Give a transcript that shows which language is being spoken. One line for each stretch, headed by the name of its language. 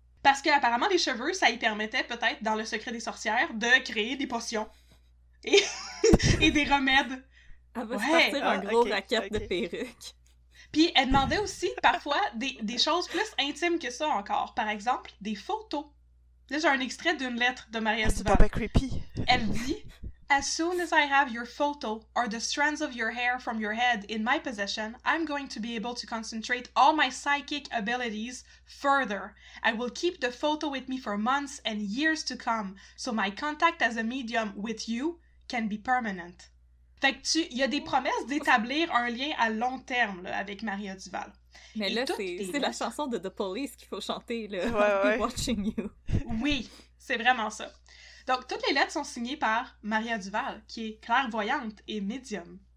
French: Parce qu'apparemment, les cheveux, ça y permettait peut-être, dans Le Secret des sorcières, de créer des potions. Et des remèdes. Elle va se sortir un gros racket de perruques. Puis elle demandait aussi, parfois, des choses plus intimes que ça encore. Par exemple, des photos. Là, j'ai un extrait d'une lettre de Maria Duval. C'est pas creepy. Elle dit,
English: « As soon as I have your photo or the strands of your hair from your head in my possession, I'm going to be able to concentrate all my psychic abilities further. I will keep the photo with me for months and years to come, so my contact as a medium with you can be permanent. »
French: Fait que tu... Il y a des promesses d'établir un lien à long terme, là, avec Maria Duval. Mais et là, c'est la chanson de The Police qu'il faut chanter, là. Ouais, ouais. «
English: I'll be watching you ».
French: Oui, c'est vraiment ça. Donc, toutes les lettres sont signées par Maria Duval, qui est clairvoyante et médium.